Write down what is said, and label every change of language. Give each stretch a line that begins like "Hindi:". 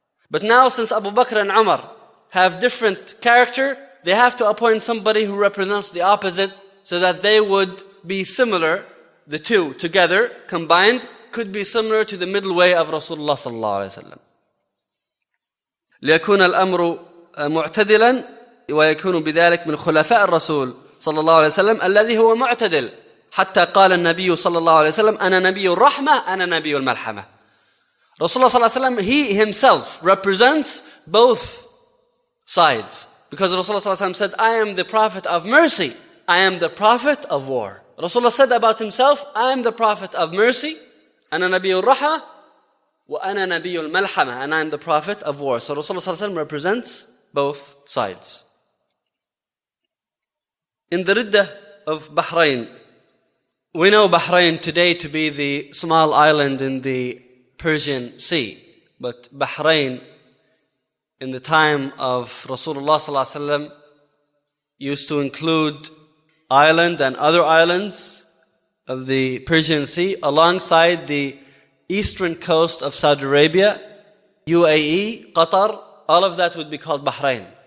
English: But now, since Abu Bakr and Umar have different character, they have to appoint somebody who represents the opposite, so that they would be similar, the two together, combined, could be similar to the middle way of Rasulullah sallallahu alayhi wa sallam.
Arabic: ليكون الأمر معتدلا ويكون بذلك من خلفاء الرسول صلى الله عليه وسلم الذي هو معتدل حتى قال النبي صلى الله عليه وسلم أنا نبي الرحمة أنا نبي الملحمة.
English: رسول الله صلى الله عليه وسلم, he himself represents both sides, because رسول الله صلى الله عليه وسلم said, I am the prophet of mercy, I am the prophet of war. رسول الله said about himself, I am the prophet of mercy,
Arabic: أنا نبي الرحمة وأنا نبي الملحمة,
English: and I am the prophet of war. So رسول الله صلى الله عليه وسلم represents both sides. In the Ridda of Bahrain, we know Bahrain today to be the small island in the Persian Sea. But Bahrain, in the time of Rasulullah صلى الله عليه وسلم, used to include island and other islands of the Persian Sea alongside the eastern coast of Saudi Arabia, UAE, Qatar, all of that would be called Bahrain.